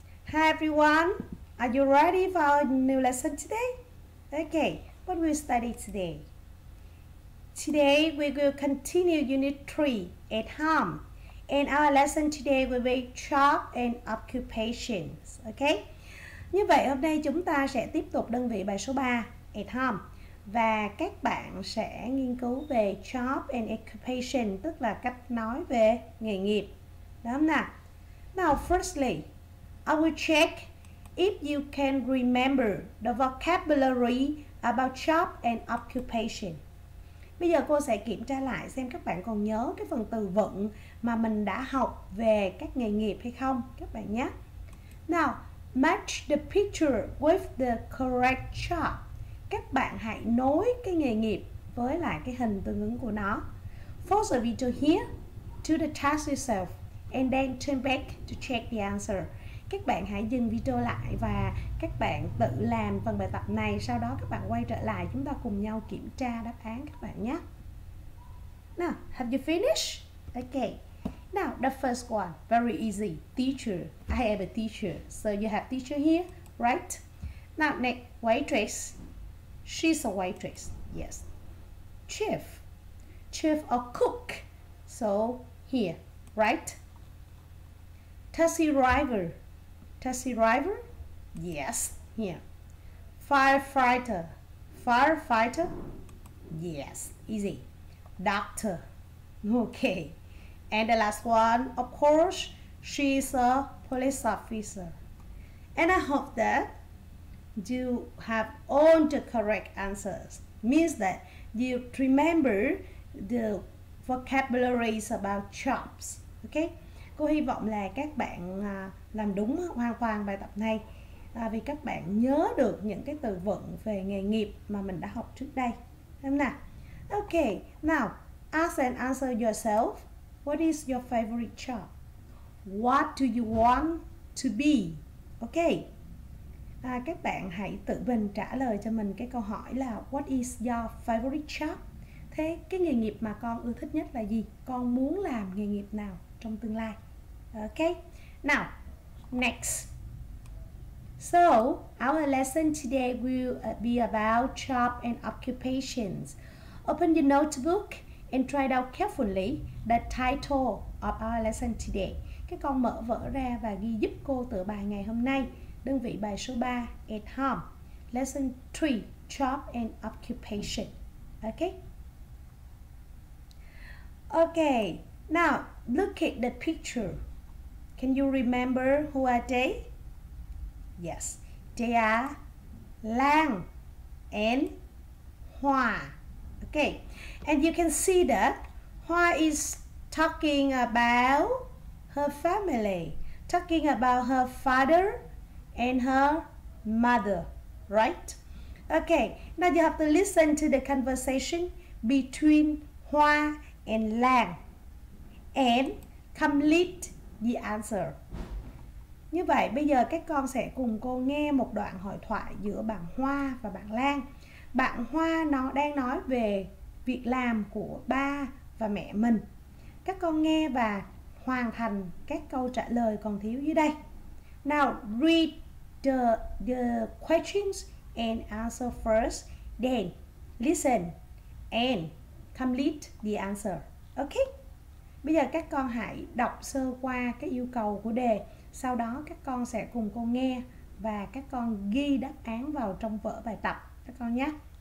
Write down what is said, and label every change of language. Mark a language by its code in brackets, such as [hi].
[en] Hi everyone, are you ready for our new lesson today? Okay, what will we study today? Today we will continue Unit 3 at home. In our lesson today will be job and occupations. Okay? [vi] Như vậy hôm nay chúng ta sẽ tiếp tục đơn vị bài số 3 at home và các bạn sẽ nghiên cứu về [en] job and occupation, [vi] tức là cách nói về nghề nghiệp. Đúng không nào? [en] Now firstly, I will check if you can remember the vocabulary about job and occupation. [vi] Bây giờ cô sẽ kiểm tra lại xem các bạn còn nhớ cái phần từ vựng mà mình đã học về các nghề nghiệp hay không các bạn nhé. [en] Now, match the picture with the correct job. [vi] Các bạn hãy nối cái nghề nghiệp với lại cái hình tương ứng của nó. [en] Pause the video here to the task itself and then turn back to check the answer. [vi] Các bạn hãy dừng video lại và các bạn tự làm phần bài tập này. Sau đó các bạn quay trở lại, chúng ta cùng nhau kiểm tra đáp án các bạn nhé. [en] Now, have you finished? Okay. Now, the first one, very easy. Teacher, I have a teacher. So you have teacher here, right? Now, next, waitress. She's a waitress, yes. Chef. Chef or cook. So, here, right? Taxi driver. Taxi driver? Yes, here. Firefighter. Firefighter? Yes, easy. Doctor. Okay. And the last one, of course, she's a police officer. And I hope that you have all the correct answers. Means that you remember the vocabularies about jobs. Okay? [vi] Cô hy vọng là các bạn làm đúng hoàn toàn bài tập này vì các bạn nhớ được những cái từ vựng về nghề nghiệp mà mình đã học trước đây. Thế nào? [en] Ok, now, ask and answer yourself. What is your favorite job? What do you want to be? [vi] Ok, các bạn hãy tự mình trả lời cho mình cái câu hỏi là [en] what is your favorite job? [vi] Thế cái nghề nghiệp mà con ưa thích nhất là gì? Con muốn làm nghề nghiệp nào trong tương lai? [en] Okay, now, next. So, our lesson today will be about job and occupations. Open your notebook and try out carefully the title of our lesson today. [vi] Các con mở vở ra và ghi giúp cô tựa bài ngày hôm nay, đơn vị bài số 3, at home. [en] Lesson 3, job and occupation. Okay? Okay, now, look at the picture. Can you remember who are they? Yes, they are Lan and Hua. Okay, and you can see that Hua is talking about her family, talking about her father and her mother, right? Okay, now you have to listen to the conversation between Hua and Lan and complete the answer. [vi] Như vậy bây giờ các con sẽ cùng cô nghe một đoạn hội thoại giữa bạn Hoa và bạn Lan. Bạn Hoa nó đang nói về việc làm của ba và mẹ mình. Các con nghe và hoàn thành các câu trả lời còn thiếu dưới đây. [en] Now read the questions and answer first, then listen and complete the answer. Okay? [vi] Bây giờ các con hãy đọc sơ qua cái yêu cầu của đề. Sau đó các con sẽ cùng cô nghe và các con ghi đáp án vào trong vở bài tập các con nhé.